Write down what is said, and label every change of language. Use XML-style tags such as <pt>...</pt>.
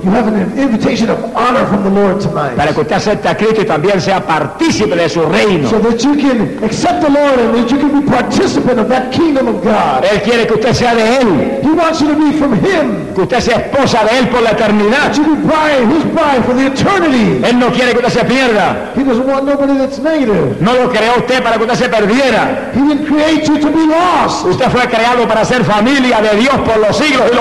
<en>You have an invitation of honor from the Lord tonight.</en> <es>Para que usted acepte a Cristo y también sea partícipe de su reino.</es> <en>So that you can accept the Lord and that you can be participant of that kingdom of God.</en> <es>Él quiere que usted sea de él.</es> <en>He wants you to be from him.</en> <es>Que usted sea esposa de él por la eternidad.</es> <en>That you be bride, his bride for the eternity.</en> <es>Él no quiere que usted se pierda.</es> <en>He doesn't want nobody that's native.</en> <es>No lo creó usted para que usted se perdiera.</es> <en>He didn't create you to be lost.</en> <es>Usted fue creado para ser familia de Dios por los siglos.</es>